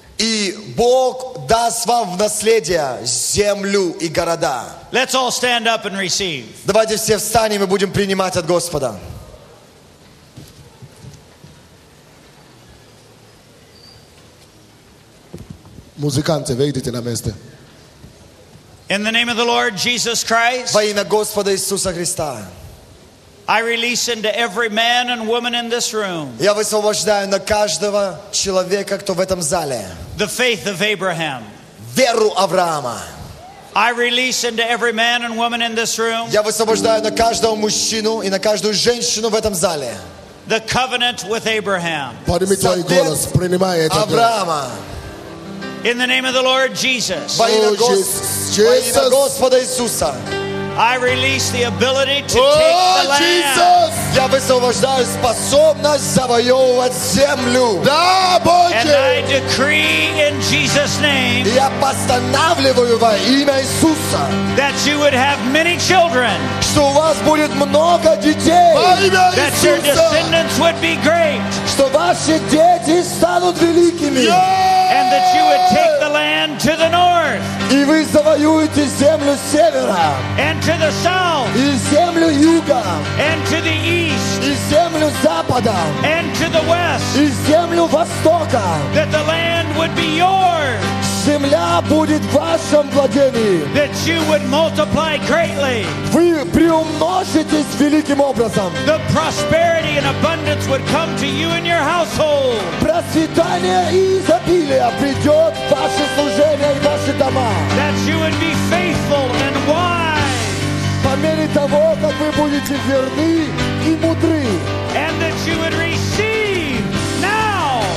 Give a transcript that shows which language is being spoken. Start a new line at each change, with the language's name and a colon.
Russian: И Бог даст вам в наследие землю и города.
English: Let's all stand up and receive.
Russian: Давайте все встанем и будем принимать от Господа. Музыканты, выйдите на место.
English: In the name of the Lord Jesus Christ,
Russian: во имя Господа Иисуса Христа,
English: I release into every man and woman in this room,
Russian: я высвобождаю на каждого человека, кто в этом зале,
English: the faith of Abraham,
Russian: веру Авраама.
English: I release into every man and woman in this room,
Russian: я высвобождаю на каждого мужчину и на каждую женщину в этом зале,
English: the covenant with Abraham,
Russian: поднимите свой голос, принимай это. Авраама.
English: In the name of the Lord Jesus.
Russian: Во имя Господа Иисуса.
English: I release the ability to take the land.
Russian: Я высвобождаю способность завоевывать землю. Да, Боже.
English: And I decree in Jesus' name.
Russian: Я постанавливаю во имя Иисуса.
English: That you would have many children.
Russian: Что у вас будет много детей. Во имя Иисуса.
English: That your descendants would be great.
Russian: Что ваши дети станут великими.
English: And that you would take the land to the north.
Russian: И вы завоюете землю севера.
English: And to the south.
Russian: И землю юга.
English: And to the east.
Russian: И землю запада.
English: And to the west.
Russian: И землю востока.
English: That the land would be yours.
Russian: Земля будет в вашем владении.
English: That you would multiply greatly.
Russian: Вы приумножитесь великим образом.
English: The prosperity and abundance would come to you and your household.
Russian: Процветание и изобилие придет в ваше служение и ваши дома.
English: That you would be faithful and wise.
Russian: По мере того, как вы будете верны и мудры.
English: And that you would receive now.